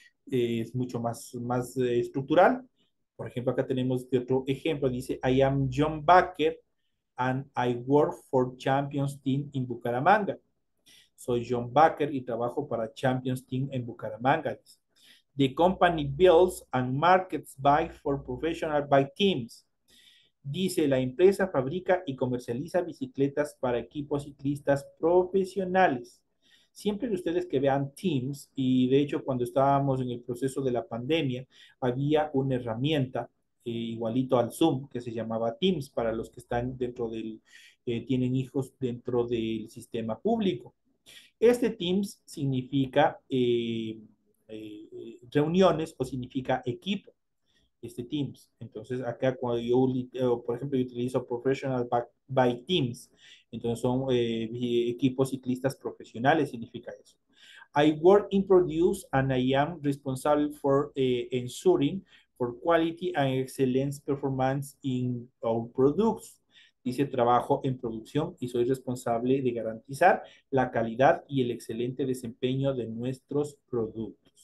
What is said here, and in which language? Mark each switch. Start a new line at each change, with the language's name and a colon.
Spanish: Es mucho más estructural. Por ejemplo, acá tenemos otro ejemplo.
English: Dice, I am John Baker and I work for Champions Team in Bucaramanga.
Spanish: Soy John Baker y trabajo para Champions Team en Bucaramanga.
English: The company builds and markets bikes for professional bike teams.
Spanish: Dice, la empresa fabrica y comercializa bicicletas para equipos ciclistas profesionales. Siempre de ustedes que vean Teams, y de hecho cuando estábamos en el proceso de la pandemia, había una herramienta igualito al Zoom que se llamaba Teams para los que están dentro del, tienen hijos dentro del sistema público. Este Teams significa reuniones o significa equipo. Este Teams. Entonces, acá cuando yo, por ejemplo, yo utilizo
English: Professional by Teams,
Spanish: entonces son equipos ciclistas profesionales, significa eso.
English: I work in produce and I am responsible for ensuring for quality and excellence performance in our products.
Spanish: Dice, trabajo en producción y soy responsable de garantizar la calidad y el excelente desempeño de nuestros productos.